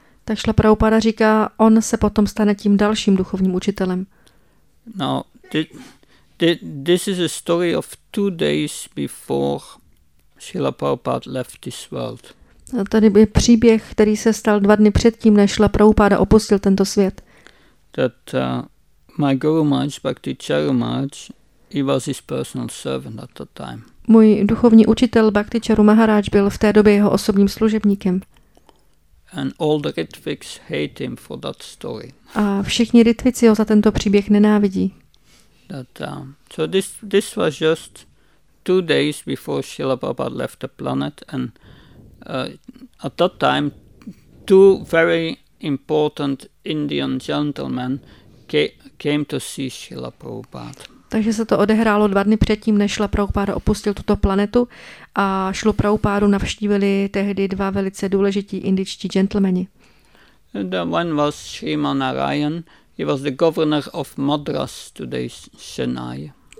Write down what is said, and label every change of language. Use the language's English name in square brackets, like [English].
[Czech] Tak Srila Prabhupada říká, on se potom stane tím dalším duchovním učitelem. [English] Now, this is a story of 2 days before Srila Prabhupada left this world. [Czech] A tady je příběh, který se stal 2 dny předtím, než Srila Prabhupada opustil tento svět. [English] That my guru Maharaj, Bhakti Charumaj, he was his personal servant at that time. [Czech] Můj duchovní učitel Bhakti Charumaharaj byl v té době jeho osobním služebníkem. [English] And all the Ritviks hate him for that story. [Czech] A všichni Ritvici ho za tento příběh nenávidí. [English] That, so this was just 2 days before Srila Prabhupada left the planet, and at that time, 2 very important Indian gentlemen came to see Srila Prabhupada. [Czech] Takže se to odehrálo 2 dny předtím, než Srila Prabhupada opustil tuto planetu a Srilu Prabhupádu navštívili tehdy 2 velice důležití indičtí gentlemani. [English] The one was Sriman Narayan. He was the governor of Madras, today's Chennai.